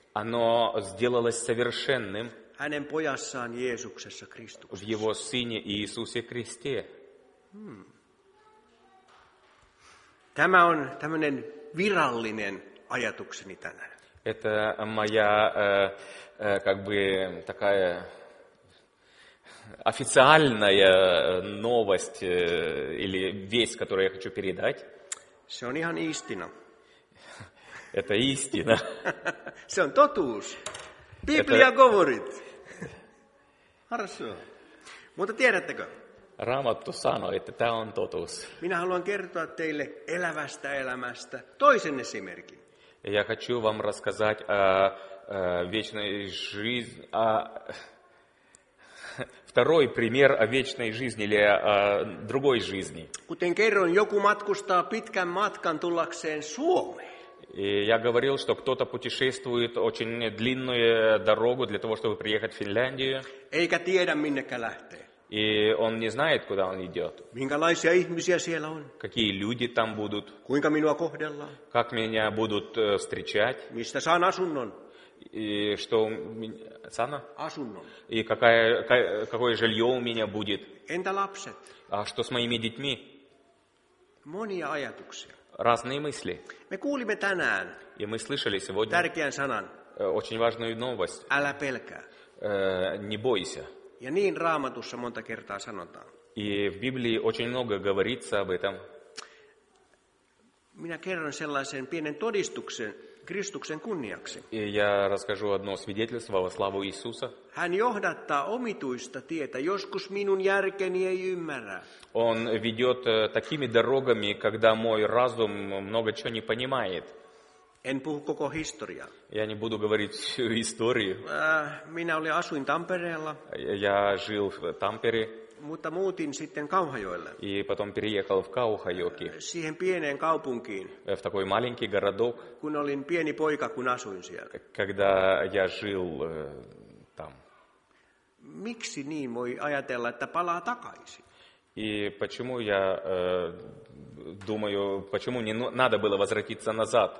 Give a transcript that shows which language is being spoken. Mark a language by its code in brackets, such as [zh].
[ru] Оно сделалось совершенным. [fi] Hänen pojassaan Jeesuksessa Kristuksessa. [ru] В его сыне Иисусе Христе. [fi] Tämä on tämmöinen virallinen ajatukseni tänään. [ru] Это моя как бы такая официальная новость или весть, которую я хочу передать. [fi] Se on ihan [ru] истина. Это истина. [fi] Se on totuus. [ru] Библия говорит. Хорошо. [fi] Mutta tiedättekö? Raamattu sanoi, että tämä on totuus. Minä haluan kertoa teille elävästä elämästä toisen esimerkin. [ru] Я хочу вам рассказать о вечной жизни, о второй пример о вечной жизни или о другой жизни. [fi] Kuten kerron, joku matkustaa pitkän matkan tullakseen Suomeen. [ru] И я говорил, что кто-то путешествует очень длинную дорогу для того, чтобы приехать в Финляндию. [fi] Eikä tiedä, minnekä lähtee. [ru] И он не знает, куда он идет. [fi] Minkälaisia ihmisiä siellä on? [ru] Какие люди там будут? [fi] Kuinka minua kohdellaan? [ru] Как меня будут встречать? [fi] Mistä saan asunnon? [ru] И что у меня, сана? [fi] Asunnon. [ru] И какое жилье у меня будет? [fi] Entä lapset? [ru] А что с моими детьми? [fi] Monia ajatuksia. [ru] Разные мысли. [fi] Me kuulimme tänään. [ru] И мы слышали сегодня. [fi] Tärkeän sanan. [ru] Очень важную новость. [fi] Älä pelkää. [ru] Не бойся. [fi] Ja niin Raamatussa monta kertaa sanotaan. [ru] И в Библии очень много говорится об этом. [fi] Minä kerron sellaisen pienen todistuksen Kristuksen kunniaksi. [ru] И я расскажу одно свидетельство во славу Иисуса. [fi] Hän johdattaa omituista tietä, joskus minun järkeni ei ymmärrä. [ru] Он ведет такими дорогами, когда мой разум много чего не понимает. [fi] En puhu koko historiaa. [ru] Я не буду говорить всю историю. [fi] Minä olin asuin Tampereella. [ru] Я жил в Тампере. [fi] Mutta muutin sitten Kauhajoelle. [ru] И потом переехал в Кауха-Йоки. [fi] Siihen pieneen kaupunkiin. [ru] В такой маленький городок. [fi] Kun olin pieni poika, kun asuin siellä. [ru] Когда я жил там. [fi] Miksi niin voi ajatella, että palaa takaisin? [ru] И почему я думаю, почему не надо было возвратиться назад?